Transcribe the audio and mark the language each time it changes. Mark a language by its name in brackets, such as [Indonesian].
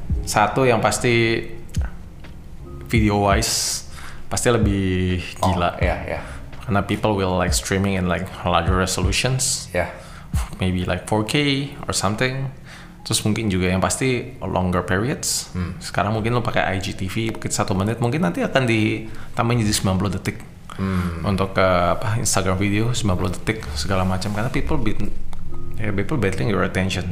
[Indonesian] Satu yang pasti video wise pasti lebih gila. [English] Oh, yeah, yeah. Karena people will like streaming in like larger resolutions. Yeah. Maybe like 4K or something. [Indonesian] Terus mungkin juga yang pasti longer periods. Hmm. Sekarang mungkin lo pakai IGTV mungkin 1 menit, mungkin nanti akan ditambahin jadi 90 detik. Hmm. Untuk apa Instagram video 90 detik segala macam, karena [English] people battling your attention.